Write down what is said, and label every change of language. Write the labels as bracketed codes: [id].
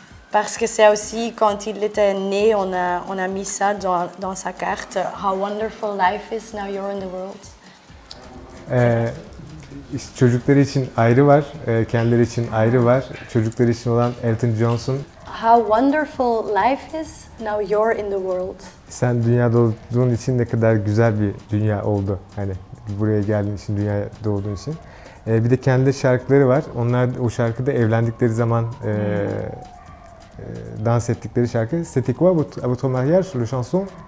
[fr] Parce que c'est aussi quand il était né, on a mis ça dans sa carte. [en] How wonderful life is now you're in the world. [tr] Çocukları için ayrı var, kendileri için ayrı var. Çocukları için olan Elton John'un. [en] How wonderful life is now you're in the world. [tr] Sen dünyada olduğun için ne kadar güzel bir dünya oldu. Hani buraya geldiğin için, dünyaya doğduğun için. Bir de kendi şarkıları var. Onlar o şarkıda evlendikleri zaman dans ettikleri şarkı. [fr] C'était quoi votre mariage sur la chanson?